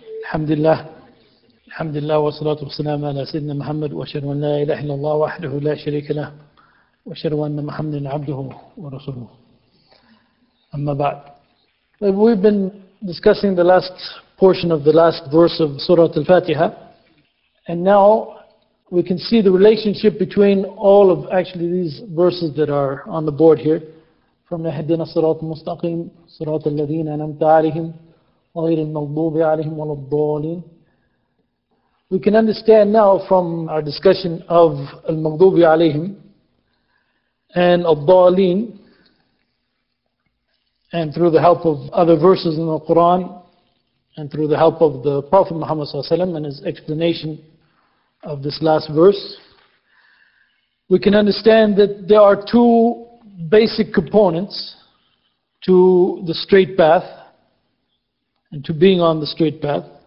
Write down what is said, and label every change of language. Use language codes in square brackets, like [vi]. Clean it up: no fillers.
[ar] الحمد لله، الحمد لله، والصلاة والسلام على سيدنا محمد، وأشهد أن لا إله إلا الله وحده لا شريك له، وأشهد أن محمدا عبده ورسوله. [en] أما بعد، we've been discussing the last portion of the last verse of Surah Al-Fatiha, and now we can see the relationship between all of actually these verses that are on the board here. [ar] From نهدنا الصراط المستقيم صراط الذين أنعمت عليهم غير المغضوب عليهم ولا الضالين. [en] We can understand now from our discussion of المغضوب عليهم and الضالين and through the help of other verses in the Quran and through the help of the Prophet Muhammad [ar] صلى الله عليه وسلم [en] and his explanation of this last verse, we can understand that there are two basic components to the straight path and to being on the straight path.